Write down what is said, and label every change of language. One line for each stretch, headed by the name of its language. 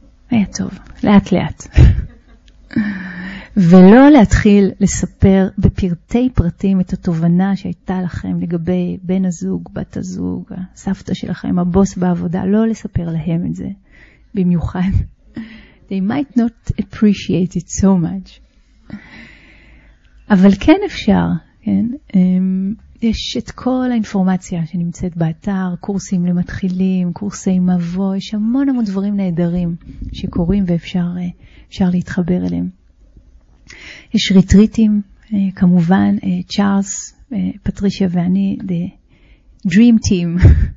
Hebrew: היה טוב, לאט לאט. ולא להתחיל לספר בפרטי פרטים את התובנה שהייתה לכם לגבי בן הזוג, בת הזוג, הסבתא שלכם, הבוס בעבודה, לא לספר להם את זה. במיוחד.
English: They might not appreciate it so much.
Hebrew: אבל כן אפשר, כן? יש את כל האינפורמציה שנמצאת באתר, קורסים למתחילים, קורסי מבוא, יש המון המון דברים נהדרים שקורים ואפשר להתחבר אליהם. יש ריטריטים, כמובן, צ'ארלס, פטרישיה ואני,
English: the dream team.